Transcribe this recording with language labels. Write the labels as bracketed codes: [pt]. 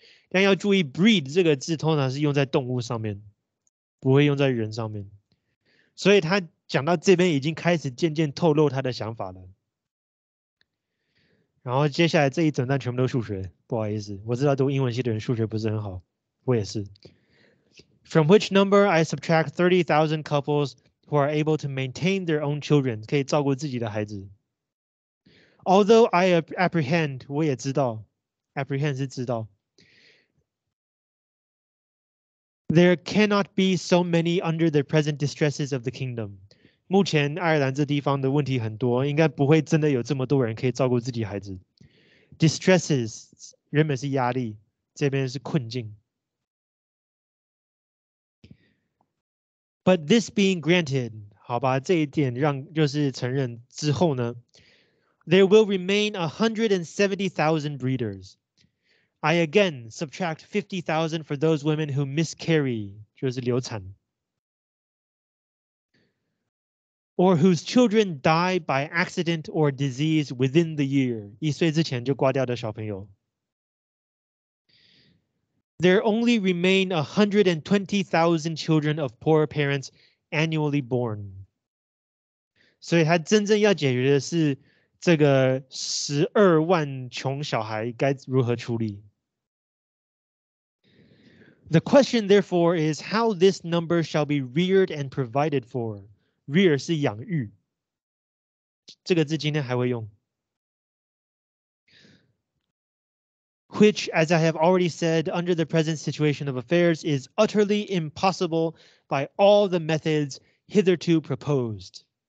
[zh] 但要注意 ，breed 这个字通常是用在动物上面，不会用在人上面。所以他讲到这边已经开始渐渐透露他的想法了。然后接下来这一整段全部都数学，不好意思，我知道读英文系的人数学不是很好，我也是。 [en] From which number I subtract 30,000 couples who are able to maintain their own children， [zh] 可以照顾自己的孩子。 [en] Although I apprehend， [zh] 我也知道 [en] ，apprehend [zh] 是知道。 [en] There cannot be so many under the present distresses of the kingdom. [zh] 目前爱尔兰这地方的问题很多，应该不会真的有这么多人可以照顾自己孩子。 Distresses 原本是压力，这边是困境。 [en] But this being granted， [zh] 好吧，这一点让就是承认之后呢 [en] ，there will remain 170,000 breeders. I again subtract 50,000 for those women who miscarry, [zh] 就是流产 [en] or whose children die by accident or disease within the year, [zh] 一岁之前就挂掉的小朋友。 [en] There only remain 120,000 children of poor parents annually born. [zh] 所以他真正要解决的是这个120,000穷小孩该如何处理。 [en] The question, therefore, is how this number shall be reared and provided for. [zh] Rear 是养育，这个字今天还会用。 [en] Which, as I have already said, under the present situation of affairs, is utterly impossible by all the methods hitherto proposed.